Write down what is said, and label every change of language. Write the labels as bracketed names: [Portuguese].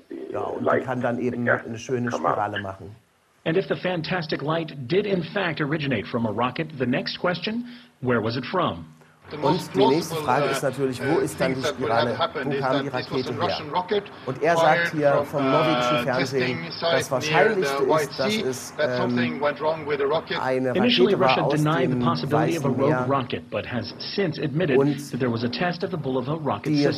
[German] Ja, und die kann dann eben eine schöne Spirale machen. [English] And if the fantastic light did in fact originate from a rocket, the next question, where was it from? [German] Und die nächste Frage ist natürlich, wo ist dann die Spirale? Wo kam die Rakete her? Und er sagt hier vom norwegischen Fernsehen, das Wahrscheinlichste ist, dass es eine Rakete war aus dem Weißen Meer.